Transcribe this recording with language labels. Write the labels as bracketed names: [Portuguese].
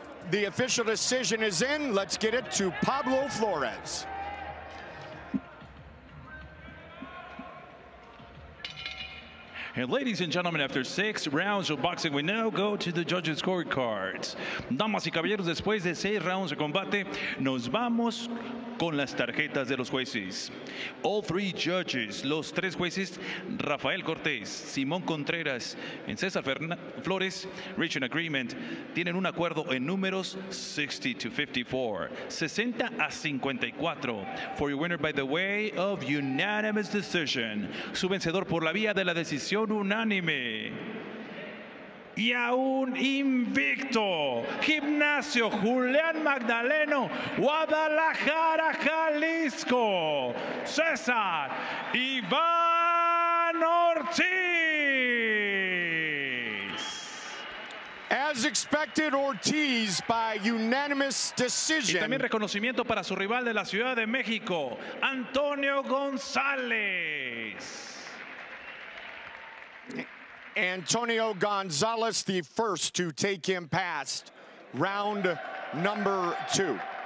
[English] The official decision is in. Let's get it to Pablo Flores. And ladies and gentlemen, after 6 rounds of boxing, we now go to the judges' scorecards. [Spanish] Damas y caballeros, después de 6 rounds de combate, nos vamos con las tarjetas de los jueces. [English] All 3 judges, [Spanish] los 3 jueces, Rafael Cortés, Simón Contreras, y César Flores, [English] reach an agreement, [Spanish] tienen un acuerdo en números 60-54, 60-54. [English] For your winner by the way of unanimous decision, [Spanish] su vencedor por la vía de la decisión unánime. Y a un invicto, Gimnasio Julián Magdaleno, Guadalajara, Jalisco, César Iván Ortiz. [English] As expected, Ortiz by unanimous decision. [Spanish] Y también reconocimiento para su rival de la Ciudad de México, Antonio González. [English] Antonio Gonzalez, the first to take him past round number 2.